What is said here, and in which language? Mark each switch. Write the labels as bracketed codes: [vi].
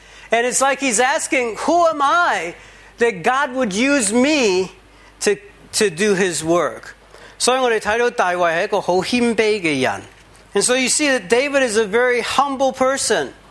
[en] And it's like he's asking, who am I that God would use me to do his work? [zh] 所以我们看到大卫是一个很谦卑的人。 [en] And so you see that David is a very humble person.